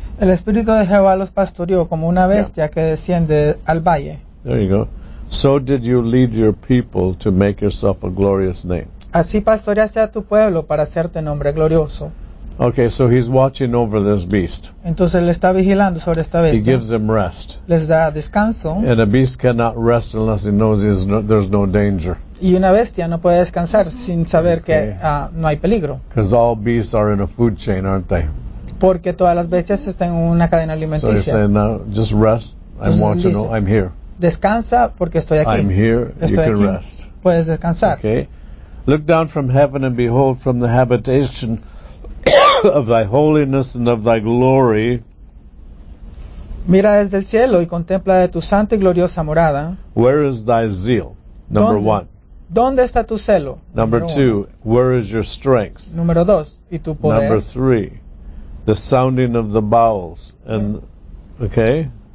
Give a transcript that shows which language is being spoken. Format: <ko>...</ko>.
<es>El Espíritu de Jehová los pastoreó como una bestia que desciende al valle.</es> <en>There you go. So did you lead your people to make yourself a glorious name.</en> <es>Así pastoreaste a tu pueblo para hacerte nombre glorioso.</es> <en>Okay, so he's watching over this beast.</en> <es>Entonces él está vigilando sobre esta bestia.</es> <en>He gives them rest.</en> <es>Les da descanso.</es> <en>And a beast cannot rest unless he knows there's no danger.</en> <es>Y una bestia no puede descansar sin saber que no hay peligro.</es> <en>Because all beasts are in a food chain, aren't they?</en> <es>Porque todas las bestias están en una cadena alimenticia.</es> <en>So he's saying, now, just rest. I'm watching. Dice, I'm here.</en> <es>Descansa porque estoy aquí.</es> <en>I'm here.</en> <es>Estoy</es> <en>you can</en> <es>aquí.</es> <en>Rest.</en> <es>Puedes descansar.</es> <en>Okay. Look down from heaven and behold from the habitation of thy holiness and of thy glory.</en> <es>Mira desde el cielo y contempla de tu santa y gloriosa morada.</es> <en>Where is thy zeal? Number one.</en> <es>¿Dónde está tu celo?</es> <en>Number two. Where is your strength?</en> <es>Número dos. ¿Y tu poder?</es> <en>Number three. The sounding of the bowels. And, okay.</en>